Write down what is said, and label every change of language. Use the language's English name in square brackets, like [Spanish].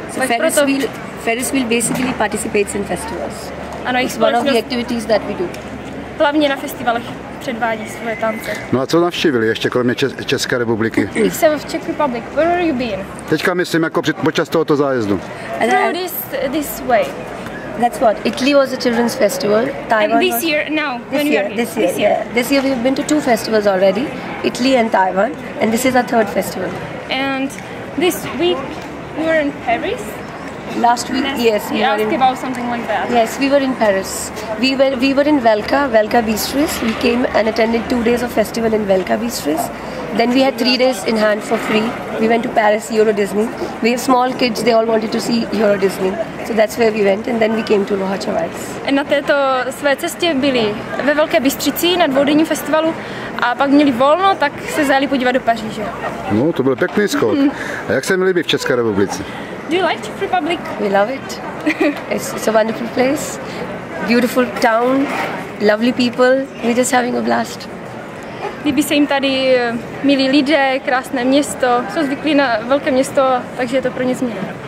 [English] So Ferris Wheel basically participates in festivals. [Czech] Ano, [English] it's one of the activities that we do. [Czech] Hlavně na festivalech předvádí svoje tance. No a co navštívili ještě kromě České republiky? I jsem v [English] Czech Republic. Where have you been? [Czech] Teďka myslím jako počas tohoto zájezdu. [English] And no, this way. That's what. Italy was a children's festival. Taiwan. And this year, now. This year, we have been to two festivals already, Italy and Taiwan, and this is our third festival. And this week, we were in Paris. Last week, yes. We asked about something like that. Yes, we were in Paris. We were in Velka Bistris. We came and attended 2 days of festival in Velka Bistris. Then we had 3 days in hand for free. We went to Paris, Euro Disney. We have small kids, they all wanted to see Euro Disney. So that's where we went and then we came to Luhačovice. [Czech] Na této své cestě byli ve Velké Bystřici na dvoudenním festivalu a pak měli volno, tak se zajeli podívat do Paříže. No, to byl pěkný skok. A jak se mi líbí v České republice? [English] Do you like Czech Republic? We love it. It's a wonderful place. Beautiful town, lovely people. We're just having a blast. [Czech] Líbí se jim tady milí lidé, krásné město. Jsou zvyklí na velké město, takže je to pro ně změna.